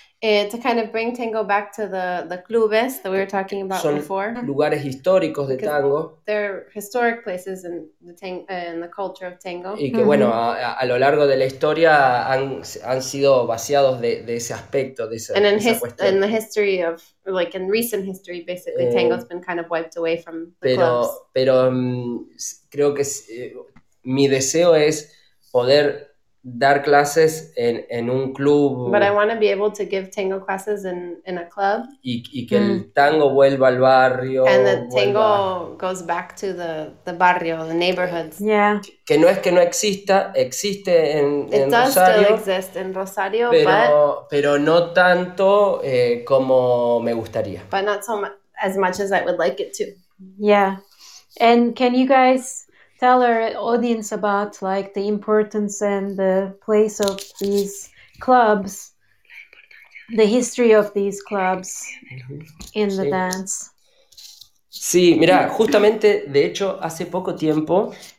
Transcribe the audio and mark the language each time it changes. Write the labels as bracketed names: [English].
[English] To kind of bring tango back to the clubes that we were talking about [Spanish] son [English] before. [Spanish] Lugares históricos de tango. [English] They're historic places in the culture of tango. [Spanish] Y que bueno, a lo largo de la historia han sido vaciados de ese aspecto, de esa cuestión. [English] In the history of, like in recent history, basically, tango's been kind of wiped away from the clubs. [Spanish] Pero creo que mi deseo es poder dar clases en un club. [English] But I want to be able to give tango classes in a club. [Spanish] Y que el tango vuelva al barrio. [English] And the tango goes back to the barrio, the neighborhoods. Yeah. [Spanish] Que no es que no exista, existe en Rosario. [English] It does still exist in Rosario, [Spanish] pero no tanto como me gustaría. [English] But not so as much as I would like it to. Yeah. And can you guys tell our audience about like the importance and the place of these clubs, the history of these clubs in the dance. [Spanish] Sí, mira, justamente, de hecho, hace poco tiempo.